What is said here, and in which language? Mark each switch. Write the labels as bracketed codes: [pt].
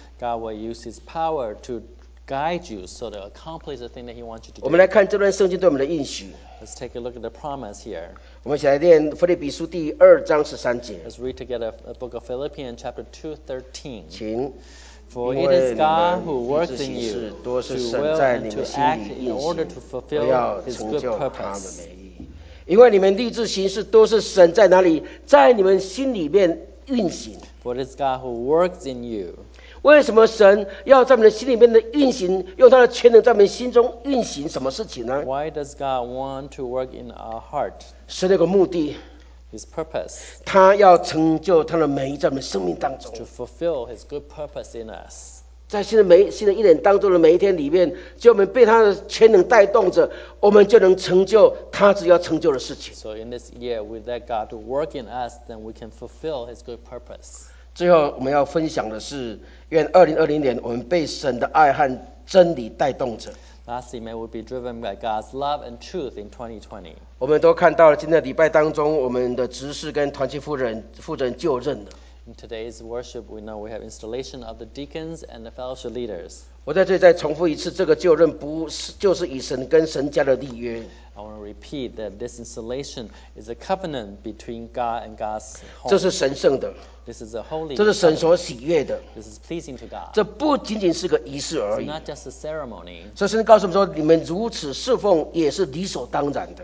[en] God will use His power to guide you so to accomplish the thing that He wants you to do. [zh] 我们来看这段圣经对我们的应许。 [en] Let's take a look at the promise here. [zh] 我们一起来念腓立比书第二章十三节。 [en] Let's read together the book of Philippians chapter 2:13. [zh] 请。 [en] For it is God who works in you to will and to act in order to fulfill His good purpose. [zh] 因为你们立志行事都是神在哪里，在你们心里面运行。 [en] For it is God who works in you. [zh] 为什么神要在我们的心里面的运行，用他的全能在我们心中运行什么事情呢？ [en] Why does God want to work in our heart? [zh] 神有个目的。 [en] His purpose. [zh] 他要成就他的美意在我们生命当中。 [en] To fulfill His good purpose in us. [zh] 在新的一年当中的每一天里面，就我们被他的全能带动着，我们就能成就他只要成就的事情。 [en] So in this year, we let God to work in us, then we can fulfill His good purpose. [zh] 最后我们要分享的是，愿2020年我们被神的爱和真理带动着。 [en] Lastly, may we be driven by God's love and truth in 2020. [zh] 我们都看到了今天的礼拜当中，我们的执事跟团契负责人就任了。 [en] In today's worship, we know we have installation of the deacons and the fellowship leaders. [zh] 我在这里再重复一次，这个就任不是就是与神跟神家的立约。 [en] I want to repeat that this installation is a covenant between God and God's home. [zh] 这是神圣的。 [en] This is a holy. [zh] 这是神所喜悦的。 [en] This is pleasing to God. [zh] 这不仅仅是个仪式而已。 [en] It's not just a ceremony. [zh] 所以神告诉我们说，你们如此侍奉也是理所当然的。